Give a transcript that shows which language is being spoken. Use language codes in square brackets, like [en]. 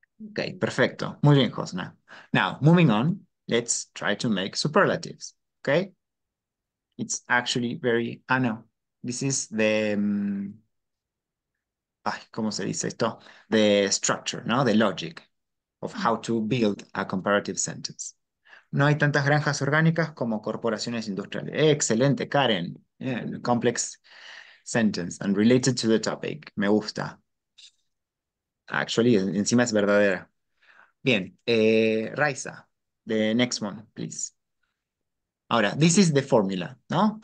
[en] Okay, [es] perfecto. Muy bien, [en] Josna. Now, moving on, let's try to make superlatives. Okay? It's actually very, no. This is the, [es] ¿cómo se dice esto? [en] The structure, no? The logic of how to build a comparative sentence. [es] No hay tantas granjas orgánicas como corporaciones industriales. Excelente, Karen. [en] Yeah, complex sentence and related to the topic. [es] Me gusta. Actually, encima es verdadera. [en] Bien, Raisa, the next one, please. Ahora, this is the formula, ¿no?